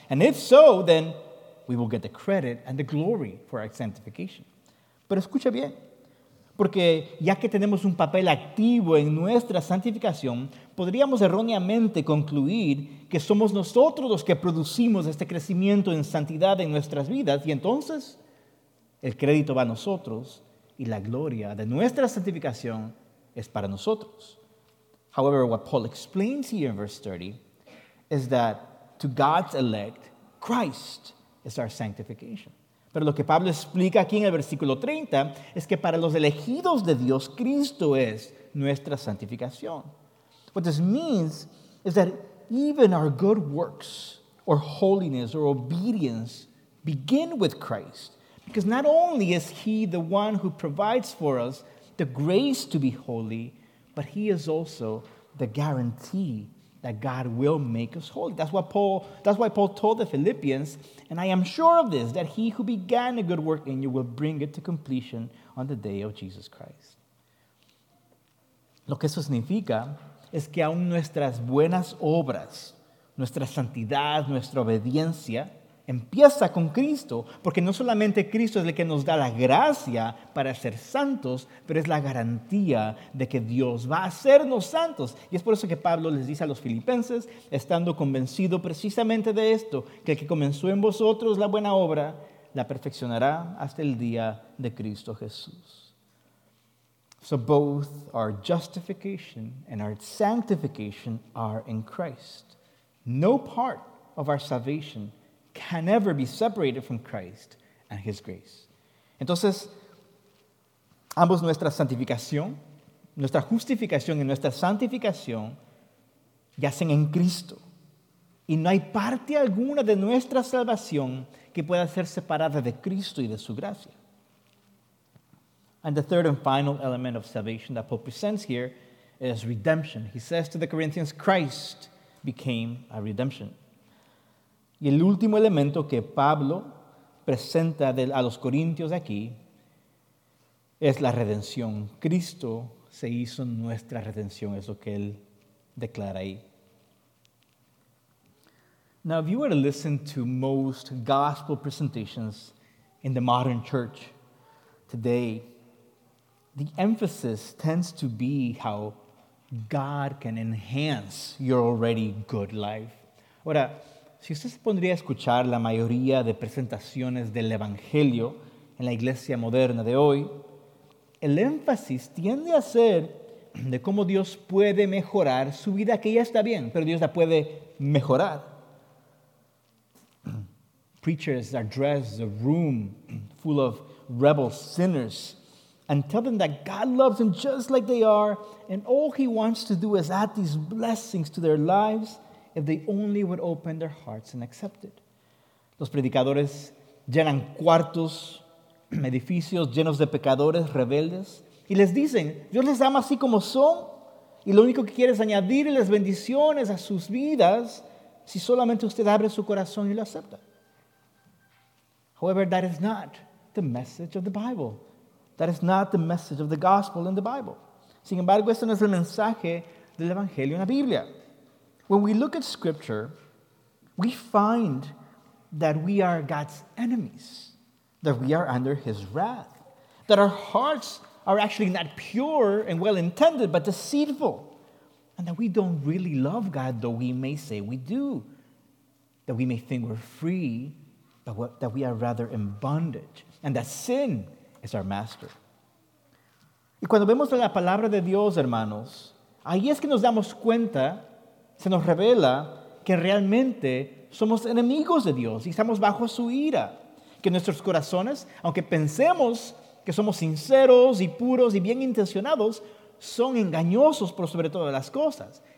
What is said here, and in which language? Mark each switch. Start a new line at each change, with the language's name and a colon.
English: And if so, then we will get the credit and the glory for our sanctification.
Spanish: Pero escucha bien, porque ya que tenemos un papel activo en nuestra santificación, podríamos erróneamente concluir que somos nosotros los que producimos este crecimiento en santidad en nuestras vidas, y entonces el crédito va a nosotros y la gloria de nuestra santificación es para nosotros.
English: However, what Paul explains here in verse 30 is that to God's elect, Christ is our sanctification.
Spanish: Pero lo que Pablo explica aquí en el versículo 30 es que para los elegidos de Dios, Cristo es nuestra santificación.
English: What this means is that even our good works or holiness or obedience begin with Christ. Because not only is He the one who provides for us the grace to be holy, but He is also the guarantee that God will make us holy. That's why Paul told the Philippians, and I am sure of this, that He who began a good work in you will bring it to completion on the day of Jesus Christ.
Spanish: Lo que eso significa es que aun nuestras buenas obras, nuestra santidad, nuestra obediencia, empieza con Cristo, porque no solamente Cristo es el que nos da la gracia para ser santos, pero es la garantía de que Dios va a hacernos santos. Y es por eso que Pablo les dice a los filipenses, estando convencido precisamente de esto, que el que comenzó en vosotros la buena obra, la perfeccionará hasta el día de Cristo Jesús.
English: So both our justification and our sanctification are in Christ. No part of our salvation can never be separated from Christ and His grace.
Spanish: Entonces, ambos nuestra santificación, nuestra justificación y nuestra santificación yacen en Cristo. Y no hay parte alguna de nuestra salvación que pueda ser separada de Cristo y de su gracia.
English: And the third and final element of salvation that Paul presents here is redemption. He says to the Corinthians, Christ became a redemption.
Spanish: Y el último elemento que Pablo presenta a los corintios aquí es la redención. Cristo se hizo nuestra redención, es lo que él declara ahí.
English: Now, if you were to listen to most gospel presentations in the modern church today, the emphasis tends to be how God can enhance your already good life.
Spanish: Ahora, si usted se pondría a escuchar la mayoría de presentaciones del Evangelio en la iglesia moderna de hoy, el énfasis tiende a ser de cómo Dios puede mejorar su vida, que ya está bien, pero Dios la puede mejorar.
English: Preachers address the room full of rebel sinners and tell them that God loves them just like they are, and all he wants to do is add these blessings to their lives if they only would open their hearts and accept it.
Spanish: Los predicadores llenan cuartos, edificios llenos de pecadores rebeldes, y les dicen, Dios les ama así como son, y lo único que quiere es añadirles bendiciones a sus vidas si solamente usted abre su corazón y lo acepta.
English: However, that is not the message of the Bible. That is not the message of the gospel in the Bible.
Spanish: Sin embargo, este no es el mensaje del Evangelio en la Biblia.
English: When we look at Scripture, we find that we are God's enemies, that we are under His wrath, that our hearts are actually not pure and well-intended, but deceitful, and that we don't really love God, though we may say we do, that we may think we're free, but that we are rather in bondage, and that sin is our master.
Spanish: Y cuando vemos la palabra de Dios, hermanos, ahí es que nos damos cuenta, se nos revela que realmente somos enemigos de Dios y estamos bajo su ira. Que nuestros corazones, aunque pensemos que somos sinceros y puros y bien intencionados, son engañosos por sobre todas las cosas.